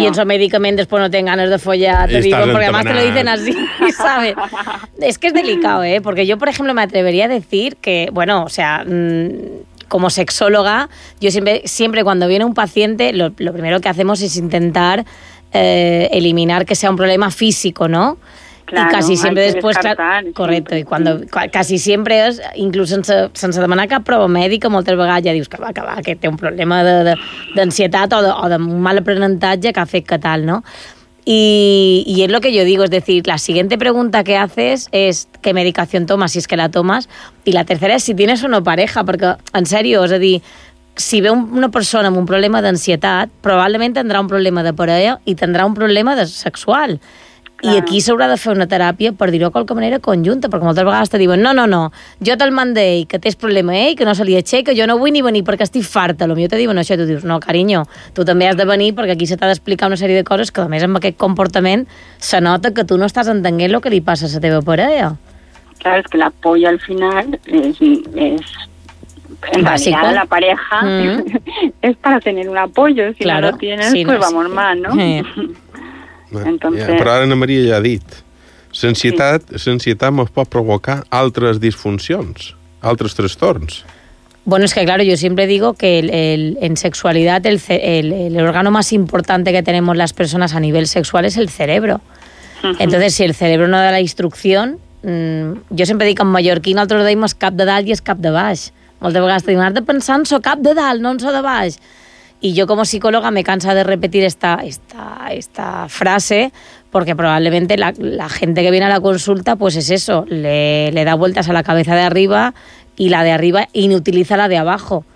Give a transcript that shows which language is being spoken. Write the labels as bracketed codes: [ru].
[es] Y en su medicament después no tengan ganas de follar, te digo, porque además te lo dicen así, ¿sabes? Es que es delicado, ¿eh? Porque yo, por ejemplo, me atrevería a decir que, bueno, o sea, como sexóloga, yo siempre cuando viene un paciente, lo primero que hacemos es intentar eliminar que sea un problema físico, ¿no? Claro, y casi siempre después, claro, correcto, y cuando casi siempre es, [ca] incluso sense demanar cap prova mèdica, moltes vegades ja dius que va, que té un problema d'ansietat o de mal aprenentatge que ha fet que tal, ¿no? [es] Y es lo que yo digo, es decir, la siguiente pregunta que haces es qué medicación tomas, si es que la tomas, y la tercera es si tienes o no pareja, porque en serio, [ca] es a dir, si ve una persona amb un problema d'ansietat, probablement tindrà un problema de parella i tindrà un problema de sexual. I aquí s'haurà de fer una teràpia, per dir-ho de qualque manera, conjunta, perquè moltes vegades te diuen, no, jo te'l mando ell, que tens problema ell, que no se li aixeca, jo no vull ni venir perquè estic farta, potser te diuen això, i tu dius, no, cariño, tu també has de venir perquè aquí se t'ha d'explicar una sèrie de coses que, a més, amb aquest comportament se nota que tu no estàs entenguent el que li passa a la teva parella. Clar, és que la polla al final és... En bàsica. [es] Realidad la pareja és para tener un apoyo, si claro. no lo tienes, sí, pues vamos mal, ¿no? Sí. Entonces... [ca] Però ara Anna Maria ja ha dit, l'ansietat sí. ens pot provocar altres disfuncions, altres trastorns. [es] Bueno, es que claro, yo siempre digo que en sexualidad el órgano más importante que tenemos las personas a nivel sexual es el cerebro. Uh-huh. Entonces, si el cerebro no da la instrucción, yo siempre digo que en mallorquí nosotros [ca] deimos cap de dalt i es cap de baix. Moltes vegades tenim de pensar en so cap de dalt, no en so de baix. [es] Y yo como psicóloga me cansa de repetir esta frase porque probablemente la gente que viene a la consulta pues es eso, le da vueltas a la cabeza de arriba y la de arriba inutiliza la de abajo.